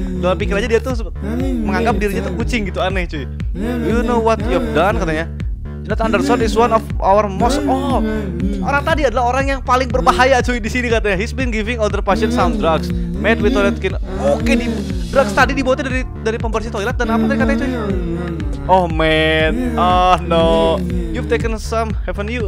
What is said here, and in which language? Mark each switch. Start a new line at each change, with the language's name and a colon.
Indonesian: Dalam pikir aja dia tuh menganggap dirinya tuh kucing gitu, aneh cuy.
English: You know what you've done
Indonesian: katanya.
English: Jonathan Anderson is one of our most...
Indonesian: Oh, orang tadi adalah orang yang paling berbahaya cuy di sini katanya.
English: He's been giving other patients some drugs made with toilet clean.
Indonesian: Oke, di drugs tadi dibuatnya dari pembersih toilet dan apa tadi katanya cuy?
English: Oh man, oh no, you've taken some, haven't you?